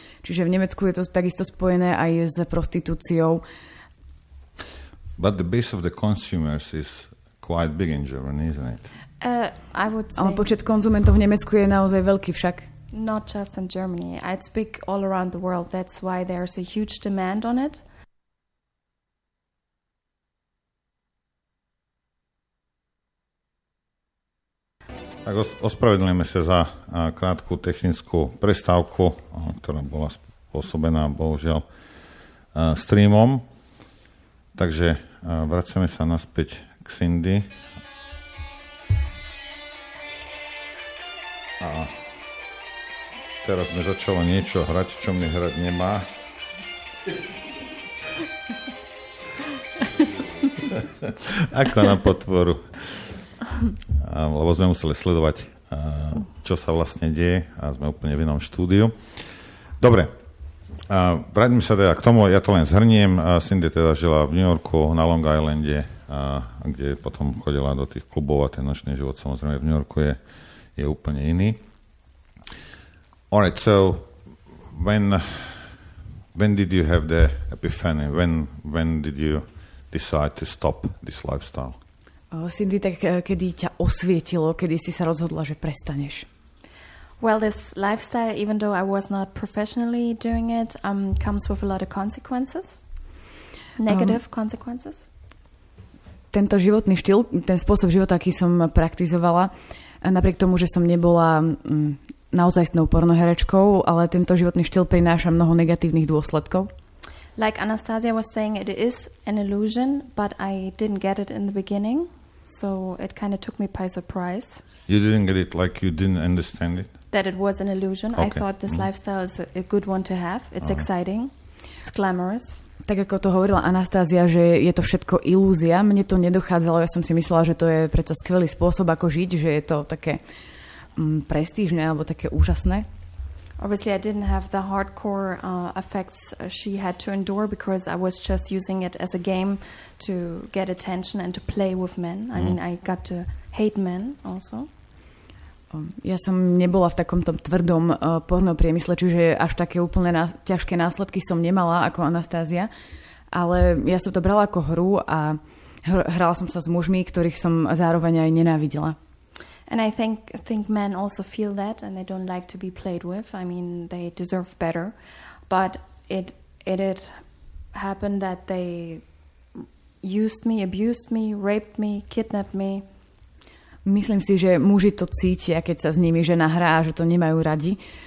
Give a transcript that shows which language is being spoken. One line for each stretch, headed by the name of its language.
Slovak: Čiže v Nemecku je to takisto spojené aj s prostitúciou.
English: But the base of the consumers is quite big in Germany, isn't it? I would say.
Slovak: Ale počet konzumentov v Nemecku je naozaj veľký však.
English: Not just in Germany. It's big all around the world. That's why there's a huge demand on it.
Slovak: Tak ospravedlňujeme sa za krátku technickú prestávku, ktorá bola spôsobená, bohužiaľ, streamom. Takže vracame sa naspäť k Cindy. A teraz mi začalo niečo hrať, čo mi hrať nemá. Ako na podporu. Lebo sme museli sledovať, čo sa vlastne deje a sme úplne v inom štúdiu. Dobre. Vráťme sa teda k tomu, ja to len zhrniem. Cindy teda žila v New Yorku, na Long Islande, kde potom chodila do tých klubov a ten nočný život samozrejme v New Yorku je úplne iný.
English: All right, so when did you have the epiphany? When did you decide to stop this lifestyle?
Slovak: Cindy, tak kedy ťa osvietilo, kedy si sa rozhodla, že prestaneš?
English: Well, this lifestyle, even though I was not professionally doing it, comes with a lot of consequences, negative consequences.
Slovak: Tento životný štýl, ten spôsob života, aký som praktizovala, napriek tomu, že som nebola naozajstnou pornoherečkou, ale tento životný štýl prináša mnoho negatívnych dôsledkov.
English: Like Anastasia was saying, it is an illusion, but I didn't get it in the beginning, so it kind of took me by surprise. You didn't get it, like you didn't understand it? That it was an illusion. Okay. I thought this lifestyle is a good one to have. It's exciting. It's glamorous.
Slovak: Tak ako to hovorila Anastázia, že je to všetko ilúzia. Mne to nedochádzalo. Ja som si myslela, že to je predsa skvelý spôsob, ako žiť, že je to také prestížne alebo také úžasné.
English: Obviously, I didn't have the hardcore effects she had to endure because I was just using it as a game to get attention and to play with men. I mean, I got to hate men also.
Slovak: Ja som nebola v takomto tvrdom pornopriemysle, čiže až také úplne ťažké následky som nemala ako Anastázia, ale ja som to brala ako hru a hrala som sa s mužmi, ktorých som zároveň aj nenávidela.
English: And I think men also feel that and they don't like to be played with. I mean, they deserve better. But it happened that they used me, abused me, raped me, kidnapped me.
Slovak: Myslím si, že muži to cítia, keď sa s nimi žena hrá, že to nemajú radi.